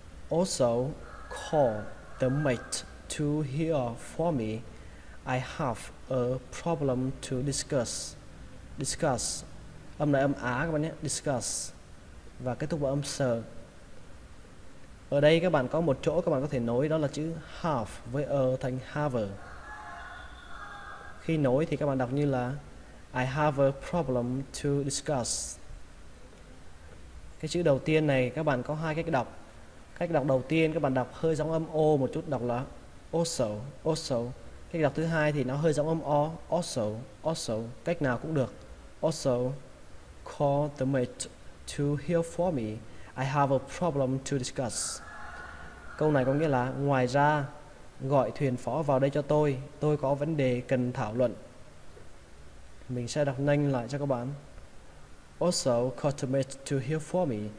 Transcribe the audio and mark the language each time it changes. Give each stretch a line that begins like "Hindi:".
English: Also call the mate to hear for me. I have a problem to discuss. Discuss.
Vietnamese: Âm này âm á các bạn nhé, discuss. Và kết thúc bằng âm sờ. Ở đây các bạn có một chỗ các bạn có thể nối, đó là chữ have với a thành have. Khi nối thì các bạn đọc như là
English: I have a problem to discuss.
Vietnamese: Cái chữ đầu tiên này các bạn có hai cách đọc. Cách đọc đầu tiên các bạn đọc hơi giống âm o một chút, đọc là also, also. Cách đọc thứ hai thì nó hơi giống âm o, also, also. Cách nào cũng được.
English: Also call the mate to hear for me. I have a problem to discuss.
Vietnamese: Câu này có nghĩa là ngoài ra gọi thuyền phó vào đây cho tôi có vấn đề cần thảo luận. Mình sẽ đọc nhanh lại cho các bạn.
English: Also call the mate to hear for me.